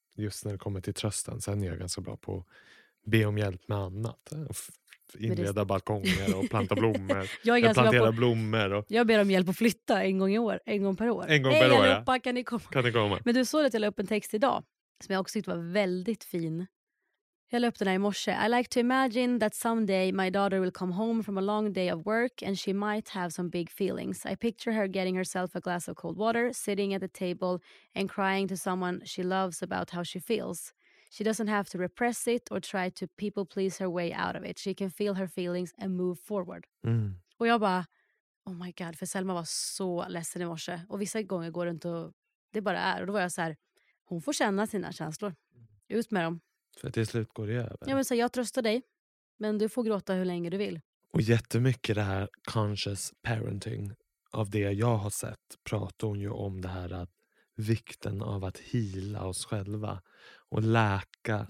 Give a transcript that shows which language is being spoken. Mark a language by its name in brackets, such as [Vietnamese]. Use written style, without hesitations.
[Swedish] Just när det kommer till trösten. Sen är jag ganska bra på att be om hjälp med annat. Inreda balkonger och planta blommor. Jag ber om hjälp att flytta en gång i år, en gång per år. En gång per år, allihopa, ja. Kan ni komma? Men du såg att jag la upp en text idag som jag också tyckte var väldigt fin. Jag la upp den här i morse. [English] I like to imagine that someday my daughter will come home from a long day of work and she might have some big feelings. I picture her getting herself a glass of cold water, sitting at the table and crying to someone she loves about how she feels. She doesn't have to repress it or try to people please her way out of it. She can feel her feelings and move forward. Mm. [Swedish] Och jag bara, [English] oh my god, [Swedish] för Selma var så ledsen i morse. Och vissa gånger går det inte och det bara är. Och då var jag så här, hon får känna sina känslor. Ut med dem. För till slut går det över. Jag vill säga, jag tröstar dig. Men du får gråta hur länge du vill. Och jättemycket det här conscious parenting, av det jag har sett, pratar hon ju om det här att vikten av att hila oss själva och läka